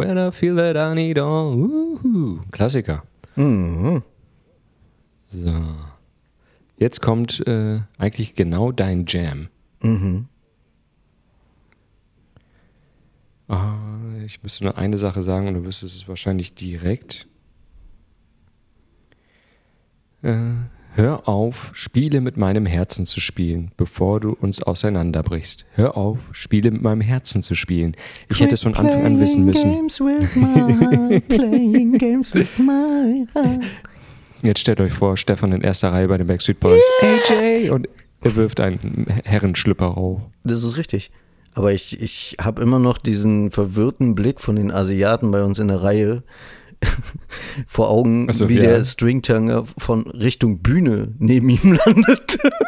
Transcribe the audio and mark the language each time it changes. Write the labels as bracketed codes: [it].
[en] When I feel that I need all, woohoo. [de] Klassiker. So. Jetzt kommt eigentlich genau dein Jam. Ich müsste nur eine Sache sagen und du wüsstest es wahrscheinlich direkt. Hör auf, Spiele mit meinem Herzen zu spielen, bevor du uns auseinanderbrichst. Hör auf, Spiele mit meinem Herzen zu spielen. Ich Quit hätte es von Anfang an wissen müssen. [en] Games with my heart, playing games with my heart. [de] Jetzt stellt euch vor, Stefan in erster Reihe bei den Backstreet Boys. Yeah. AJ! Und er wirft einen Herrenschlüpper hoch. Das ist richtig. Aber ich habe immer noch diesen verwirrten Blick von den Asiaten bei uns in der Reihe. Vor Augen, so, wie der Stringtanger von Richtung Bühne neben ihm landet.